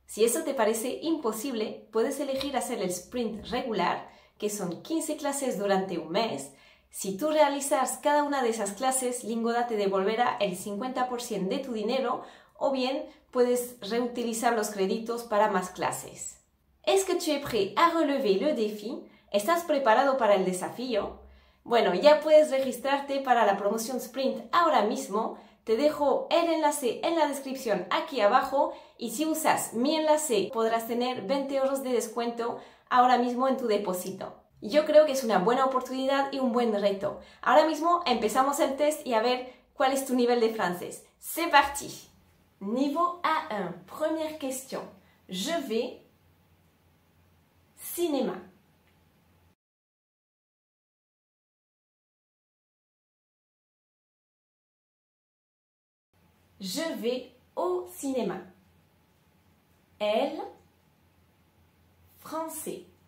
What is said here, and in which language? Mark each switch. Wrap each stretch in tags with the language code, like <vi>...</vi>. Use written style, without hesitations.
<es>Si eso te parece imposible, puedes elegir hacer el sprint regular, que son 15 clases durante un mes. Si tú realizas cada una de esas clases, Lingoda te devolverá el 50% de tu dinero o bien puedes reutilizar los créditos para más clases.</es> <fr>¿Est-ce que tu es prêt à relever le défi?</fr> <es>¿Estás preparado para el desafío? Bueno, ya puedes registrarte para la promoción Sprint ahora mismo. Te dejo el enlace en la descripción aquí abajo y si usas mi enlace podrás tener 20 euros de descuento ahora mismo en tu depósito. Yo creo que es una buena oportunidad y un buen reto. Ahora mismo empezamos el test y a ver cuál es tu nivel de francés.</es> <fr>¡C'est parti! Niveau A1, première question. Je vais cinéma. Je vais au cinéma. Elle, français.</fr>